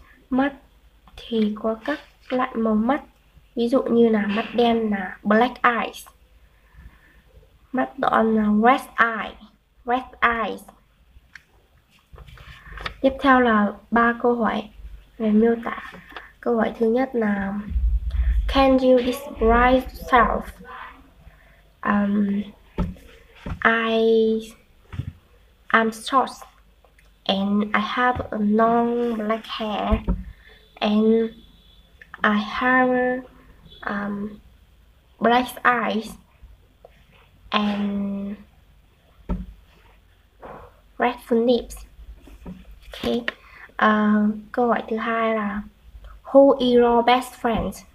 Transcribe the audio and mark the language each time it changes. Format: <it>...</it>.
<vi>Mắt thì có các loại màu mắt, ví dụ như là mắt đen là</vi> <en>black eyes,</en> <vi>mắt đỏ là</vi> <en>red eye,</en> <vi>tiếp theo là ba câu hỏi về miêu tả. Câu hỏi thứ nhất là</vi> <en>Can you describe yourself? I'm short and I have a long black hair and I have black eyes and red lips. Okay.</en> <vi>Câu hỏi thứ hai là</vi> <en>Who is your best friend?</en>